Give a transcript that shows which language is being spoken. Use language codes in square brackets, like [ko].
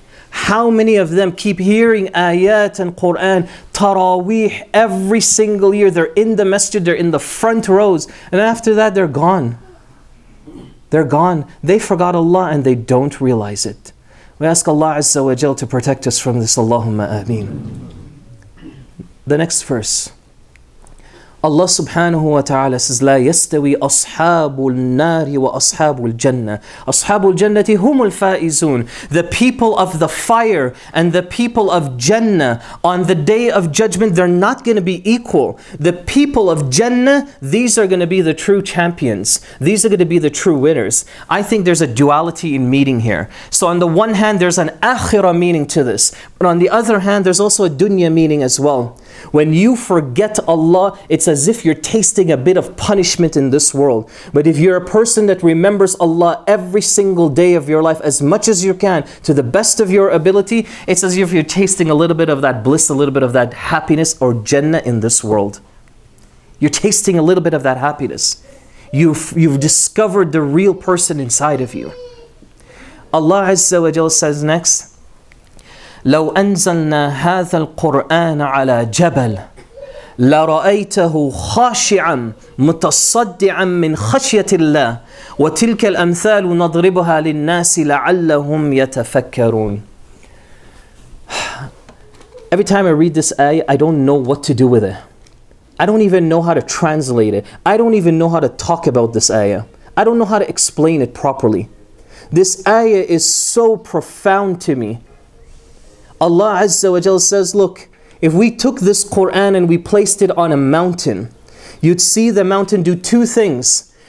[en] How many of them keep hearing ayat and Quran, taraweeh every single year. They're in the masjid, they're in the front rows. And after that, they're gone. They're gone. They forgot Allah and they don't realize it. We ask Allah Azza wa Jal to protect us from this. Allahumma ameen. The next verse. Allah subhanahu wa ta'ala says, [ar] لا يستوي أصحاب النار وأصحاب الجنة أصحاب الجنة هم الفائزون. [en] The people of the fire and the people of Jannah on the day of judgment, they're not going to be equal. The people of Jannah, these are going to be the true champions. These are going to be the true winners. I think there's a duality in meaning here. So on the one hand, there's an akhirah meaning to this. But on the other hand, there's also a dunya meaning as well. When you forget Allah, it's as if you're tasting a bit of punishment in this world. But if you're a person that remembers Allah every single day of your life as much as you can, to the best of your ability, it's as if you're tasting a little bit of that bliss, a little bit of that happiness or Jannah in this world. You're tasting a little bit of that happiness. You've discovered the real person inside of you. Allah Azza wa Jalla says next, [ar] لو أنزلنا هذا القرآن على جبل لرأيته خاشعا متصدعا من خشية الله وتلك الأمثال نضربها للناس لعلهم يتفكرون. [en] Every time I read this ayah, I don't know what to do with it. I don't even know how to translate it. I don't even know how to talk about this ayah. I don't know how to explain it properly. This ayah is so profound to me. Allah Azza wa Jalla says, look, if we took this Quran and we placed it on a mountain, you'd see the mountain do two things.